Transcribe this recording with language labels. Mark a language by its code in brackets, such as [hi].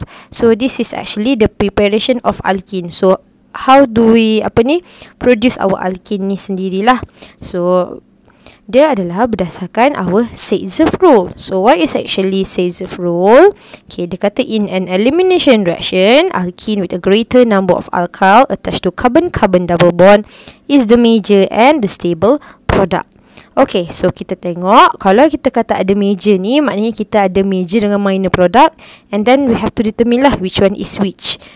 [en] So this is actually the preparation of alkene. So how do we produce our alkene [ms] ni sendirilah. So dia adalah berdasarkan our Saytzeff rule. [en] So what is actually Saytzeff rule? Okay, [ms] dia kata [en] in an elimination reaction, alkene with a greater number of alkyl attached to carbon-carbon double bond is the major and the stable product. [ms] Okay, so kita tengok kalau kita kata ada major ni, maknanya kita ada major dengan minor product, [en] and then we have to determine lah which one is which.